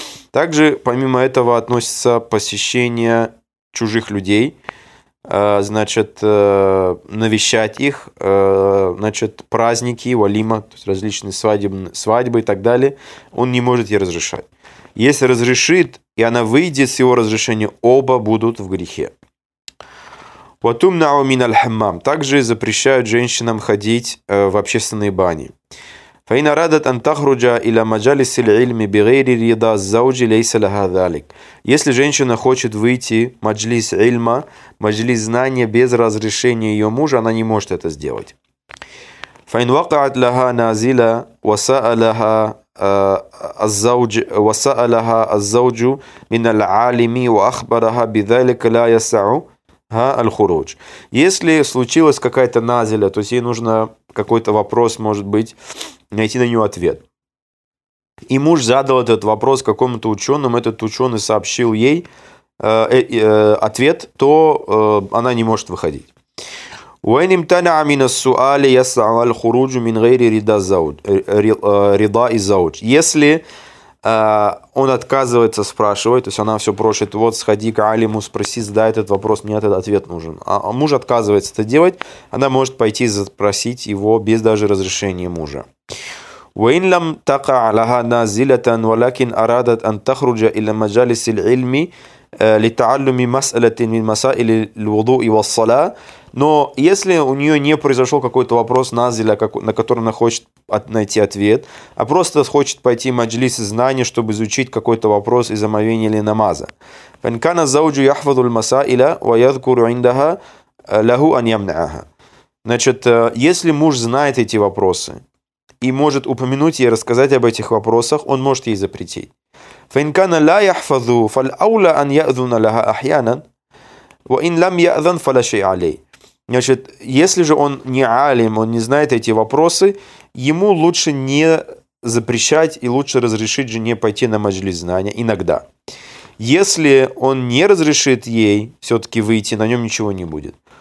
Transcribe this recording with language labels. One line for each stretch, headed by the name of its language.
Russian: Также, помимо этого, относится посещение чужих людей, значит, навещать их, значит, праздники, валима, то есть различные свадьбы и так далее, он не может ей разрешать. Если разрешит, и она выйдет с его разрешения, оба будут в грехе.
Arabic: Ватумнау мин аль-хаммам.
Russian: Также запрещают женщинам ходить в общественные бани.
Arabic: فإن أرادت أن تخرج إلى مجالس العلم بغير رضا الزوج ليس لها ذلك.
Russian: Если женщина хочет выйти в маджлис ильма, маджлис знания без разрешения ее мужа, она не может это сделать.
Arabic: فإن وقعت لها نازلة وسألها الزوج وسألها الزوج من العالم وأخبرها بذلك لا يسع الخروج.
Russian: Если случилась какая-то назила, то есть ей нужно какой-то вопрос, может быть, найти на него ответ. И муж задал этот вопрос какому-то ученому, этот ученый сообщил ей ответ, то она не может выходить.
Arabic: وإن امتنع من السؤال يسع الخروج من غير رضا الزوج رضا الزوج.
Russian: Если он отказывается спрашивать, то есть она все просит, вот сходи к алиму, спроси, задай этот вопрос, мне этот ответ нужен. А муж отказывается это делать, она может пойти спросить его без даже разрешения мужа.
Arabic: وإن لم تقع لها نازلة ولكن أرادت أن تخرج إلى مجالس العلم لتعلم مسألة من مسائل الوضوء والصلاة.
Russian: Но если у нее не произошел какой-то вопрос назиля, на который она хочет найти ответ, а просто хочет пойти в маджлис знания, чтобы изучить какой-то вопрос из омовения или намаза.
Arabic: فإن كان الزوج يحفظ المسائل ويذكر عندها له أن يمنعها.
Russian: Значит, если муж знает эти вопросы и может упомянуть ей, рассказать об этих вопросах, он может ей запретить.
Arabic: فإن كان لا يحفظ فالأولى أن يأذن لها أحيانا وإن لم يأذن فلا شيء عليه.
Russian: Значит, если же он не алим, он не знает эти вопросы, ему лучше не запрещать и лучше разрешить жене пойти на маджлис знания иногда. Если он не разрешит ей все-таки выйти, на нем ничего не будет.